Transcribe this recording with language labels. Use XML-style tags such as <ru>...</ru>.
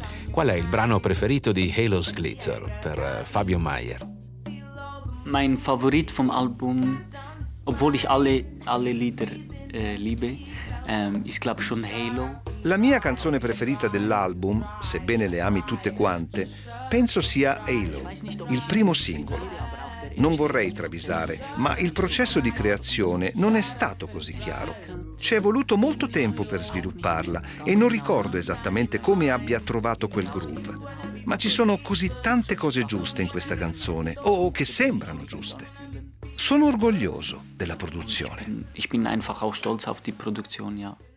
<it>Qual è il brano preferito di Halo's Glitter per Fabio Maier?</it> <de>Mein Favorit vom Album, obwohl ich alle Lieder liebe, ist glaube schon Halo.</de> <it>La mia canzone preferita dell'album, sebbene le ami tutte quante, penso sia Halo, il primo singolo. Non vorrei travisare, ma il processo di creazione non è stato così chiaro. Ci è voluto molto tempo per svilupparla e non ricordo esattamente come abbia trovato quel groove. Ma ci sono così tante cose giuste in questa canzone, o che sembrano giuste. Sono orgoglioso della produzione.</it> <de>Ich bin einfach auch stolz auf die Produktion, ja.</de>